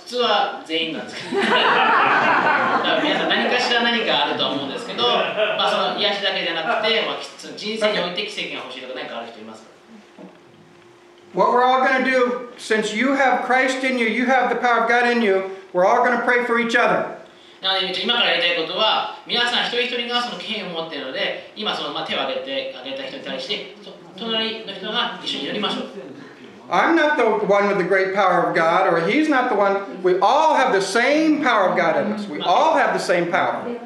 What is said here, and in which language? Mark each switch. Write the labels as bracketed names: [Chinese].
[Japanese] 普通は全員なんですけど、皆さん何かしら何かあると思うんですけど、まあ、その癒しだけじゃなくて、まあ、人生において奇跡が欲しいとか何かある人いますか？ [English] What we're all going to do, since you have Christ in you, you have the power of God in you, we're all going to pray for each other. [Japanese] なので今からやりたいことは、皆さん一人一人がその権威を持っているので、今その手を挙げた人に対して、隣の人が一緒に祈りましょう。 [English] I'm not the one with the great power of God, or he's not the one. We all have the same power of God in us. We all have the same power.